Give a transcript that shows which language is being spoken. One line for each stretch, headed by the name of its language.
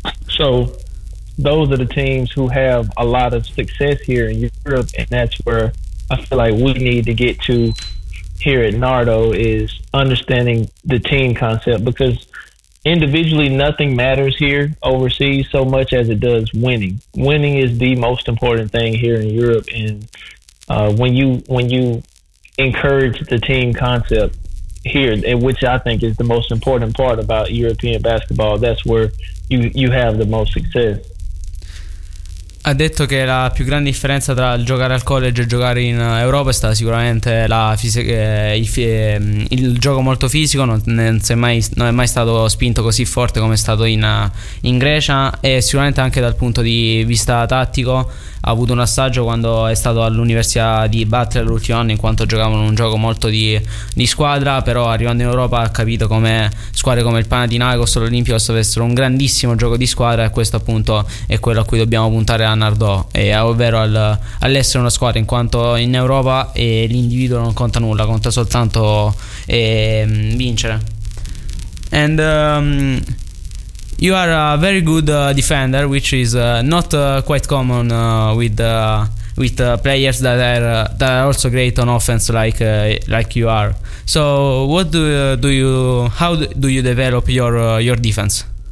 English: So those are the teams who have a lot of success here in Europe, and that's where I feel like we need to get to here at Nardo, is understanding the team concept, because individually, nothing matters here overseas so much as it does winning. Winning is the most important thing here in Europe, and when you encourage the team concept here, which I think is the most important part about European basketball, that's where you have the most success.
Italian: Ha detto che la più grande differenza tra il giocare al college e giocare in Europa è stata sicuramente il gioco molto fisico, non è mai stato spinto così forte come è stato in Grecia, e sicuramente anche dal punto di vista tattico ha avuto un assaggio quando è stato all'università di Butler l'ultimo anno, in quanto giocavano un gioco molto di squadra. Però arrivando in Europa ha capito come squadre come il Panathinaikos o l'Olympiakos avessero un grandissimo gioco di squadra, e questo appunto è quello a cui dobbiamo puntare a Nardò, ovvero all'essere una squadra, in quanto in Europa l'individuo non conta nulla, conta soltanto vincere.
English: And you are a very good defender, which is not quite common with players that are also great on offense like you are. So what do you develop your defense?